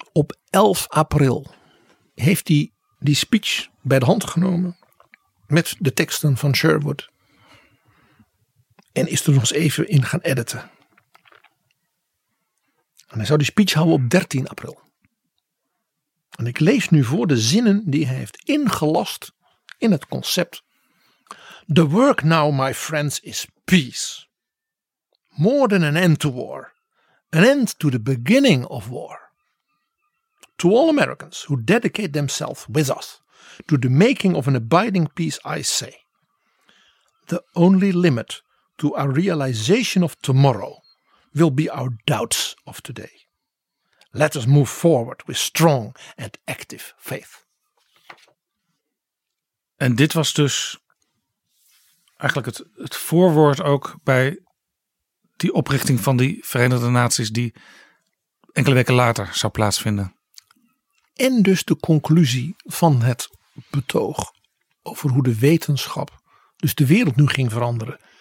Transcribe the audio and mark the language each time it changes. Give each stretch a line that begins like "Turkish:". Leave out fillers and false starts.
Dutch: Op 11 april heeft hij die speech bij de hand genomen met de teksten van Sherwood. En is er nog eens even in gaan editen. En hij zou die speech houden op 13 april. En ik lees nu voor de zinnen die hij heeft ingelast in het concept.
English: The work now, my friends, is peace. More than an end to war. An end to the beginning of war. To all Americans who dedicate themselves with us to the making of an abiding peace, I say. The only limit to our realization of tomorrow will be our doubts of today. Let us move forward with strong and active faith.
Dutch: En dit was dus eigenlijk het voorwoord ook bij die oprichting van die Verenigde Naties die enkele weken later zou plaatsvinden. En dus de conclusie van het betoog over hoe de wetenschap dus de wereld nu ging veranderen.